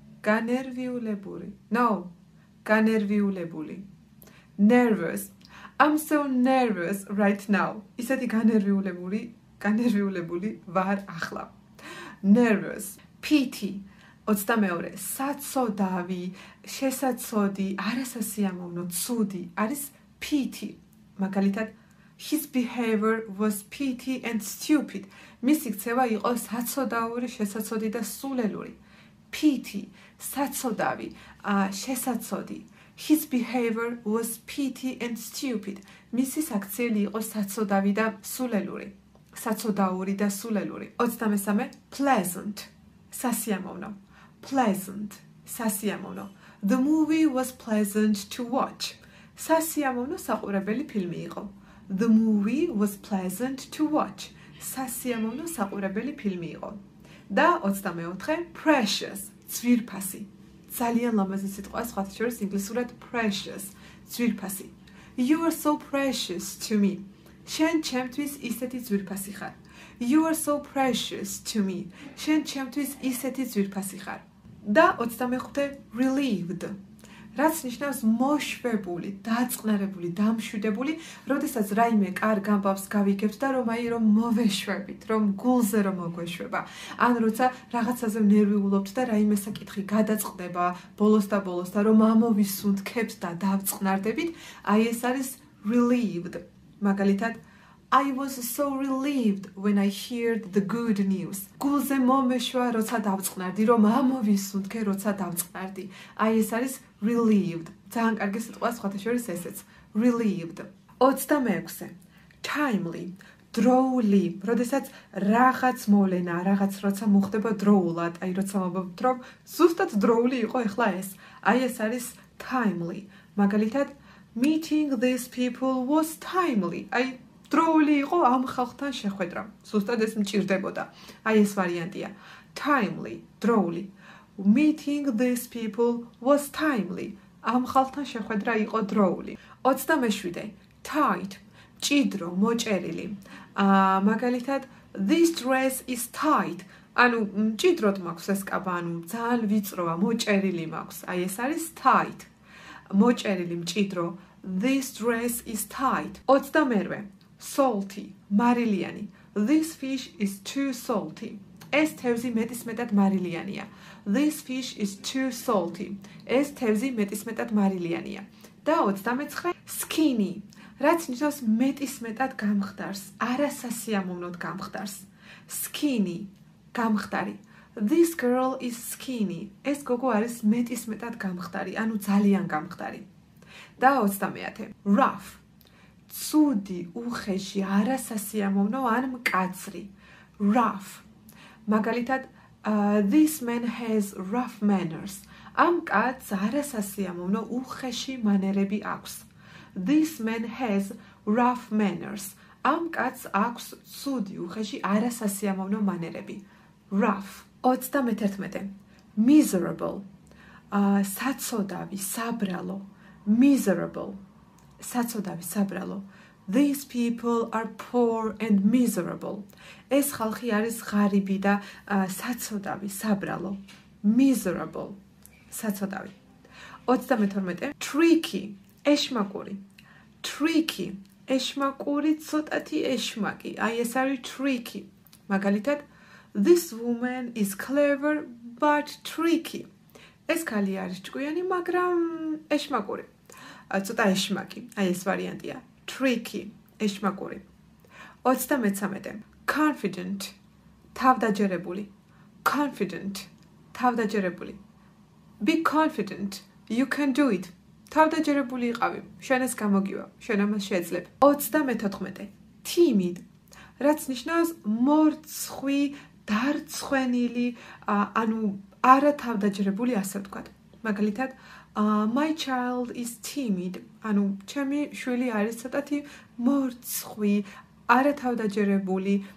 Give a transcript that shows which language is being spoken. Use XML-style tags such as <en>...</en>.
<ka>განერვიულებული.</ka> <en>No.</en> <ka>განერვიულებული. Nervous.</ka> <en>I'm so nervous right now.</en> <ka>ისეთი განერვიულებული, განერვიულებული ვარ ახლა. Nervous. Pity. 22. საცოდავი, შესაცოდი, არასასიამოვნო, ცუდი. არის pity. მაგალითად,</ka> <en>his behavior was pity and stupid.</en> <ka>მისი ქცევა იყო საცოდაური, შესაცოდი და სულელური. Pity. საცოდავი, შესაცოდი.</ka> <en>His behavior was pity and stupid.</en> <ka>მისი საქციელი იყო საცოდავი და სულელური. საცოდაური და სულელური. 23. Pleasant. სასიამოვნო. Pleasant. სასიამოვნო.</ka> <en>The movie was pleasant to watch.</en> <ka>სასიამოვნო საყურებელი ფილმი იყო.</ka> <en>The movie was pleasant to watch.</en> <ka>სასიამოვნო საყურებელი ფილმი იყო. და 24. Precious. ძვირფასი. ძალიან ლამაზი სიტყვა, სხვა შორის ინგლისურად precious. ძვირფასი.</ka> <en>You are so precious to me.</en> <ka>შენ ჩემთვის ისეთი ძვირფასი ხარ.</ka> <en>You are so precious to me.</en> <ka>შენ ჩემთვის ისეთი ძვირფასი ხარ. და 25. Relieved. რაც ნიშნავს მოშვებული, დაწყნარებული, დამშვიდებული, როდესაც რაიმე კარგ ამბავს გავიგებთ და რომ აი რომ მოვეშვებით, რომ გულზე რომ მოგვეშვება. ან როცა რაღაცაზე ნერვიულობთ და რაიმე საკითხი გადაწყდება ბოლოს და ბოლოს და რომ ამოვისუნთქებთ და დავწყნარდებით, აი ეს არის relieved. მაგალითად,</ka> <en>I was so relieved when I heard the good news.</en> <ka>გულზე მომეშვა როცა დავწყნარდი, რომ ამოვისუნთქე როცა დავწყნარდი. აი ეს არის relieved. ძალიან კარგი სიტყვა, სხვათა შორის ესეც. Relieved. 26. Timely. დროული, როდესაც რაღაც მოვლენა, რაღაც როცა მოხდება დროულად, აი როცა მომბობთ რომ ზუსტად დროული იყო ეხლა ეს. აი ეს არის timely. მაგალითად,</ka> <en>meeting these people was timely.</en> <ka>აი დროული იყო ამ ხალხთან შეხვედრა. ზუსტად ეს მჭირდებოდა. აი ეს ვარიანტია. timely, დროული.</ka> <en>meeting these people was timely.</en> <ka>ამ ხალხთან შეხვედრა იყო დროული. 27. tight. ჭიდრო, მოჭერილი. მაგალითად,</ka> <en>this dress is tight.</en> <ka>ანუ ჭიდროდ მაქვს ეს კაბა, ანუ ძალიან ვიწროა, მოჭერილი მაქვს. აი ეს არის tight. მოჭერილი, მჭიდრო.</ka> <en>This dress is tight.</en> <ka>28.</ka> <en>salty, მარილიანი. This fish is too salty.</en> <ka>ეს თევზი მეტისმეტად მარილიანია.</ka> <en>This fish is too salty.</en> <ka>ეს თევზი მეტისმეტად მარილიანია. და 29. skinny. რაც ნიშნავს მეტისმეტად გამხდარს, არასასიამოვნოდ გამხდარს.</ka> <en>skinny, გამხდარი. This girl is skinny.</en> <ka>ეს გოგო არის მეტისმეტად გამხდარი, ანუ ძალიან გამხდარი. და 30. rough. ცუდი, უხეში, არასასიამოვნო ან მკაცრი.</ka> <en>rough.</en> <ka>მაგალითად,</ka> <en>this man has rough manners.</en> <ka>ამ კაცს არასასიამოვნო უხეში მანერები აქვს.</ka> <en>This man has rough manners.</en> <ka>ამ კაცს აქვს ცუდი, უხეში, არასასიამოვნო მანერები.</ka> <en>rough. 31. miserable.</en> <ka>საცოდავი, საბრალო. miserable. საცოდავი, საბრალო.</ka> <en>These people are poor and miserable.</en> <ka>ეს ხალხი არის ღარიბი და საცოდავი, საბრალო. miserable. საცოდავი. 32. tricky. ეშმაკური. tricky. ეშმაკური, ცოტათი ეშმაკი. აი ეს არის tricky. მაგალითად,</ka> <en>this woman is clever but tricky.</en> <ka>ეს ქალი არის ჭკვიანი, მაგრამ ეშმაკური. ცოტა ეშმაკი. აი ეს ვარიანტია. tricky, ეშმაკური. 33. confident, თავდაჯერებული. confident, თავდაჯერებული.</ka> <en>be confident, you can do it.</en> <ka>თავდაჯერებული იყავი, შენ ეს გამოგივა, შენ ამას შეძლებ. 34. timid, რაც ნიშნავს მორცხვი, დარცხვენილი, ანუ არა თავდაჯერებული, ასე ვთქვათ. მაგალითად,</ka> <en>my child is timid.</en> <ka>ანუ ჩემი შვილი არის ცოტათი მორცხვი, არათავდაჯერებული.</ka>